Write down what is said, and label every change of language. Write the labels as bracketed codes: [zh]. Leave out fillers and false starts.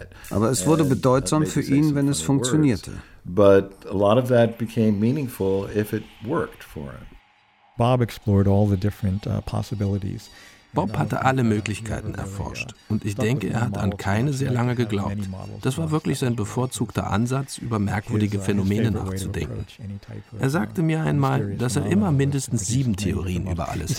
[de] Aber es wurde bedeutsam für ihn, wenn es funktionierte. [en] But a lot of that became meaningful if it worked for him. Bob explored all the different possibilities. [de] Bob hatte alle Möglichkeiten erforscht und ich denke, er hat an keine sehr lange geglaubt. Das war wirklich sein bevorzugter Ansatz, über merkwürdige Phänomene nachzudenken. Er sagte mir einmal, dass er immer mindestens 7 Theorien über alles